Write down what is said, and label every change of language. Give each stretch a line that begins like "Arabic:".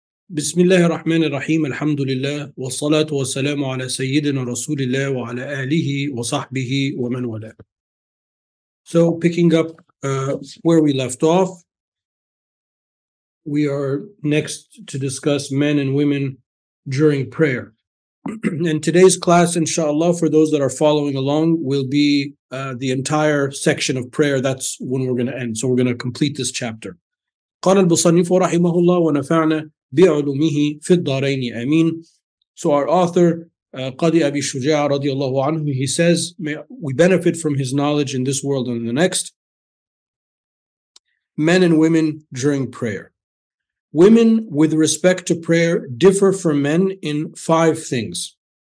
Arabic: بسم الله الرحمن الرحيم، الحمد لله والصلاة والسلام على سيدنا رسول الله وعلى آله وصحبه ومن والاه.
English: So picking up where we left off, we are next to discuss men and women during prayer. And today's class, inshallah, for those that are following along, will be the entire section of prayer. That's when we're going to end. So we're going to complete this chapter.
Arabic: قال المصنف رحمه الله ونفعنا بعلومه في الدارين آمين.
English: So our author, Qadi Abi Shuja'a رضي الله عنه, he says, may we benefit from his knowledge in this world and the next. Men and women during prayer. Women with respect to prayer differ from men in five things.